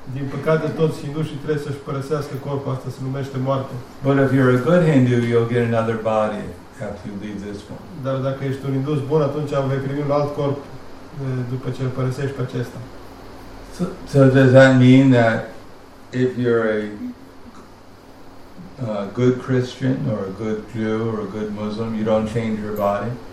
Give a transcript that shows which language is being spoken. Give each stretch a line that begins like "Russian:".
Romanian: Din păcate, toți hindușii trebuie să-și părăsească corpul, asta se numește moarte.
English: But if you're a good Hindu, you'll get another body after you leave this one.
Romanian: Dar dacă ești un hindus bun, atunci vei primi un alt corp după ce îl părăsești pe acesta.
English: So does that mean that if you're a good Christian or a good Jew or a good Muslim, you don't change your body?